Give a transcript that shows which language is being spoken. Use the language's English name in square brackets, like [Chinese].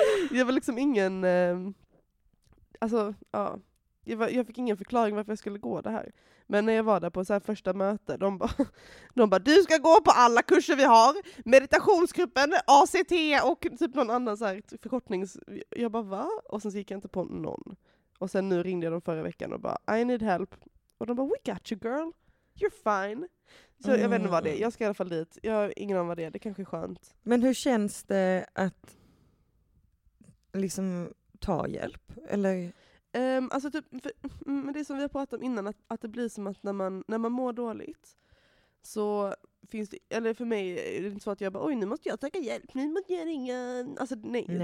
[Swedish] Jag var liksom ingen, alltså ja, jag fick ingen förklaring varför jag skulle gå det här. Men när jag var där på så här första möte, de bara, du ska gå på alla kurser vi har, meditationsgruppen, ACT och typ någon annan så här förkortnings. Jag bara, va? Och sen gick jag inte på någon. Och sen nu ringde jag dem förra veckan och bara, [English] I need help. [Swedish] Och de bara, [English] we got you girl, you're fine. [Swedish] Så jag vet inte vad det är, jag ska i alla fall dit. Jag har ingen aning vad det är, det kanske är skönt. Men hur känns det att liksom ta hjälp? Eller? Alltså typ, men det som vi har pratat om innan, att det blir som att när man mår dåligt så finns det, eller för mig är det inte så att jag bara, oj nu måste jag söka hjälp, nu måste jag ringa, alltså nej.